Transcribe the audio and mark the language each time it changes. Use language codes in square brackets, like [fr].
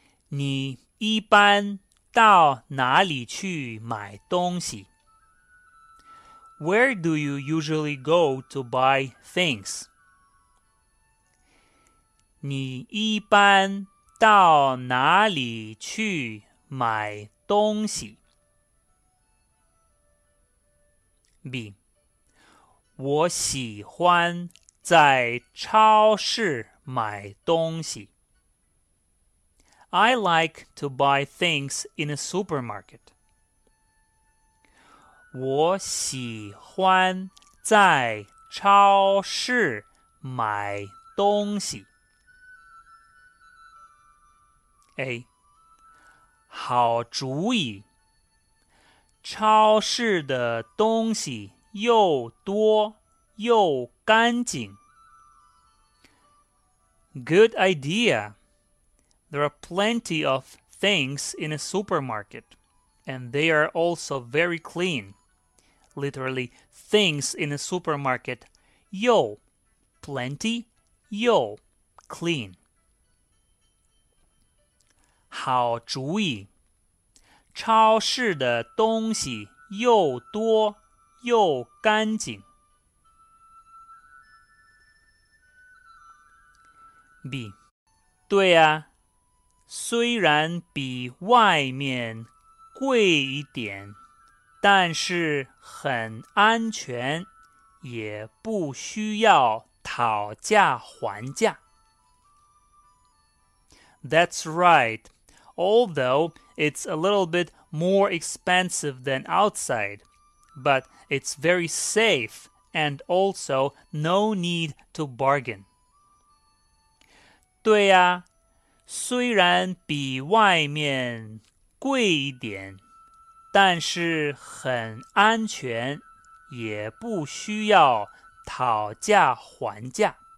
[zh] 你一般到哪里去买东西? [en] Where do you usually go to buy things? [zh] 你一般到哪里去买东西？B，我喜欢在超市买东西。 [en] I like to buy things in a supermarket. [zh] 我喜欢在超市买东西。 A，好主意。超市的东西又多又干净。 [en] Good idea. There are plenty of things in a supermarket, and they are also very clean. Literally, things in a supermarket. [zh] 又 [en] plenty, 又 clean. [zh] 好主意。超市的东西又多又干净。 B，对啊，虽然比外面贵一点，但是很安全，也不需要讨价还价。 [en] That's right. Although it's a little bit more expensive than outside, but it's very safe and also no need to bargain. [zh] 对啊，虽然比外面贵一点，但是很安全，也不需要讨价还价。